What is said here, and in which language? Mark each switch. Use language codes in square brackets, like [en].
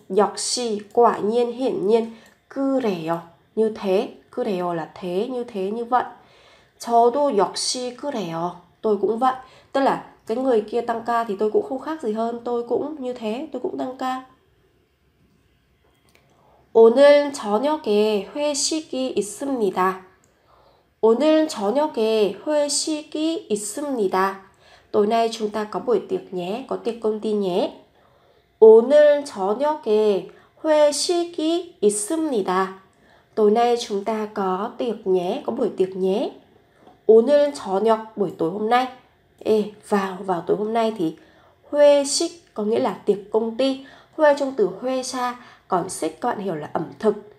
[vi] 역시 quả nhiên, hiển nhiên. 그래요 như thế. 그래요 là thế, như thế, như vậy. [ko] 저도 역시 그래요. [vi] Tôi cũng vậy. Tức là cái người kia tăng ca thì tôi cũng không khác gì hơn. Tôi cũng như thế, tôi cũng tăng ca. [ko] 오늘 저녁에 회식이 있습니다. 오늘 저녁에 회식이 있습니다. [vi] Tối nay chúng ta có buổi tiệc nhé, có tiệc công ty nhé. [ko] 오늘 저녁에 회식이 있습니다. [vi] Tối nay chúng ta có tiệc nhé, có buổi tiệc nhé. 오늘 저녁, buổi tối hôm nay. Ê, vào tối hôm nay thì 회식 có nghĩa là tiệc công ty. Huê trong từ huê xa, còn xích các bạn hiểu là ẩm thực.